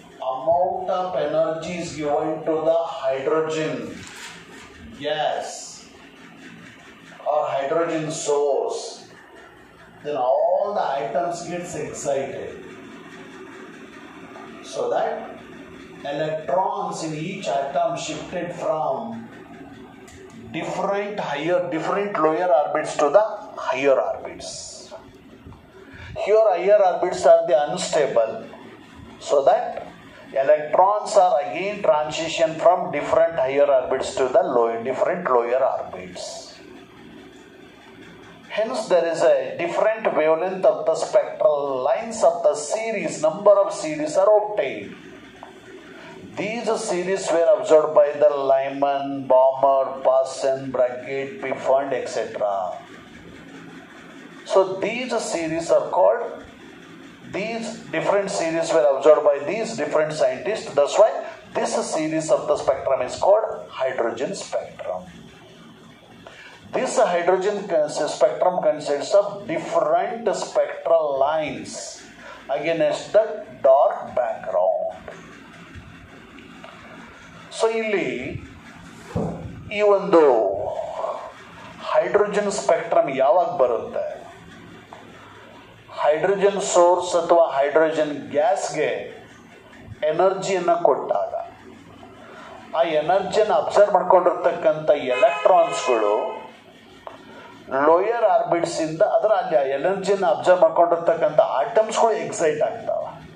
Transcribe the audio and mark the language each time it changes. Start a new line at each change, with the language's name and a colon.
English: Amount of energy is given to the hydrogen gas or hydrogen source, then all the items gets excited so that electrons in each item shifted from different higher different lower orbits to the higher orbits. Here higher orbits are the unstable, so that electrons are again transition from different higher orbits to the different lower orbits. Hence there is a different wavelength of the spectral lines of the series, number of series are obtained. These series were observed by the Lyman, Balmer, Parson, Brackett, Pfund, etc. So these series are called, these different series were observed by these different scientists. That's why this series of the spectrum is called hydrogen spectrum. This hydrogen spectrum consists of different spectral lines against the dark background.
Kannada: So illi
English: even though
Kannada: hydrogen spectrum yavag barutte, hydrogen source ಅಥವಾ hydrogen ಗ್ಯಾಸ್ಗೆ ಎನರ್ಜಿಯನ್ನು ಕೊಟ್ಟಾಗ ಆ ಎನರ್ಜಿಯನ್ನು observe ಮಾಡ್ಕೊಂಡಿರ್ತಕ್ಕಂಥ ಎಲೆಕ್ಟ್ರಾನ್ಸ್ಗಳು lower ಆರ್ಬಿಟ್ಸಿಂದ ಅದರ ಅಲ್ಲಿ ಆ ಎನರ್ಜಿಯನ್ನು observe ಮಾಡ್ಕೊಂಡಿರ್ತಕ್ಕಂಥ ಆಟಮ್ಸ್ಗಳು excite ಆಗ್ತಾವೆ.